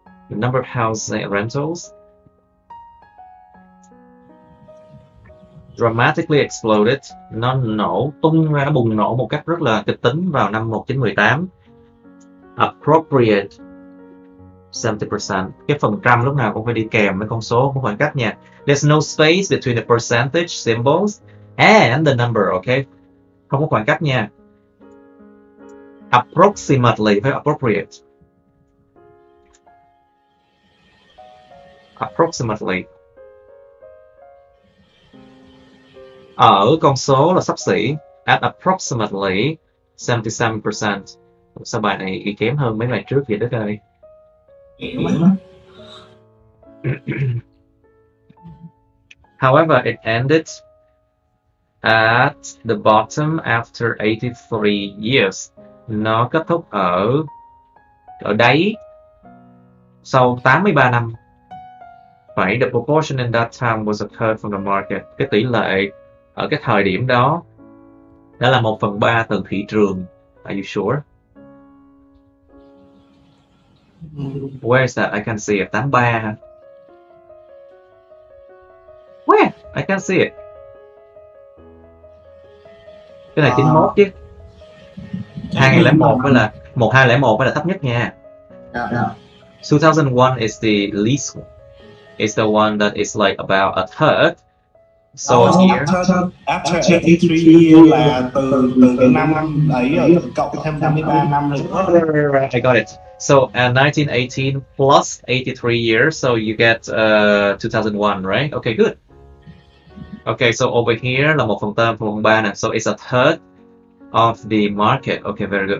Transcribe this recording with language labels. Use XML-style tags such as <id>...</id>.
<en>The number of house rentals dramatically exploded.</en> <vi>Nó nổ tung ra, nó bùng nổ một cách rất là kịch tính vào năm 1918. Appropriate 70%. Cái phần trăm lúc nào cũng phải đi kèm với con số, không khoảng cách nha.</vi> <en>There's no space between the percentage symbols and the number, okay?</en> <vi>Không có khoảng cách nha. Approximately, phải appropriate.</vi> <en>Approximately.</en> <vi>Ở con số là xấp xỉ.</vi> <en>At approximately 77%.</en> <vi>Sao bài này ý kém hơn mấy bài trước vậy Đức ơi?</vi> <en>However, it ended at the bottom after 83 years.</en> <vi>Nó kết thúc ở đáy sau 83 năm.</vi> <en>Phải, the proportion in that time was occurred from the market.</en> <vi>Cái tỷ lệ ở cái thời điểm đó đó là 1/3 từ thị trường.</vi> <en>Are you sure? Where is that? I can see it. 83. Where? I can't see it.</en> <vi>Cái này 91 chứ. 2001 mới là 1201 mới là thấp nhất nha.</vi> <en>2001 is the least one. It's the one that is like about a third. So</en> <vi>after 83 là từ năm ấy cộng thêm 23 năm nữa.</vi> <en>I got it. So 1918 plus 83 years, so you get 2001, right? Okay, good. Okay, so over here</en> <vi>là 1/3, 1/3 nè.</vi> <en>So it's a third of the market. Okay, very good.</en>